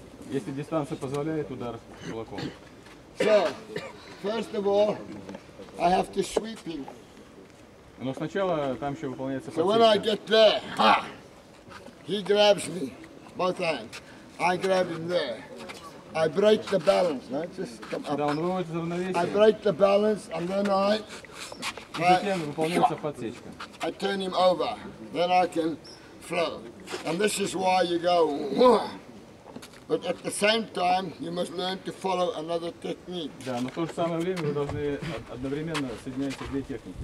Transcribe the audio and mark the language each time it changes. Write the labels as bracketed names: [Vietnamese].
[Russian] Если дистанция позволяет, удар кулаком. [English] So, first of all, I have to sweep him. [Russian] Но сначала там еще выполняется подсечка. [English] So when I get there, ha, he grabs me, both hands. I grab him there. I break the balance. No, just come up. [Russian] Да, он выводит за равновесие. [English] I break the balance, and then I... [Russian] И затем выполняется подсечка. [English] I turn him over. Then I can flow. And this is why you go... But at the same time, you must learn to follow another technique. [Russian] Да, но в то же самое время вы должны одновременно соединять две техники.